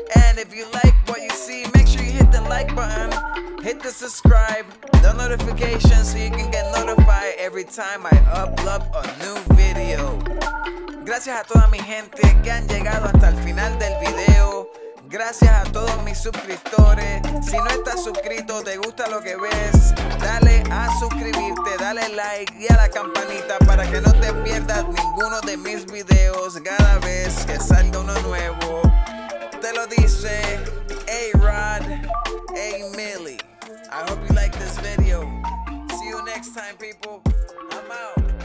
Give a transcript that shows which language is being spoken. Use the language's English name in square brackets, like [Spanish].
[English] And if you like what you see, make sure you hit the like button, hit the subscribe, the notification so you can get notified every time I upload a new video. [Spanish] Gracias a toda mi gente que han llegado hasta el final del video. Gracias a todos mis suscriptores. Si no estás suscrito, te gusta lo que ves, dale a suscribirte, dale like y a la campanita para que no te pierdas ninguno de mis videos cada vez que salga uno nuevo. Te lo dice [English] A-Rod, A-Millie. I hope you like this video. See you next time, people. I'm out.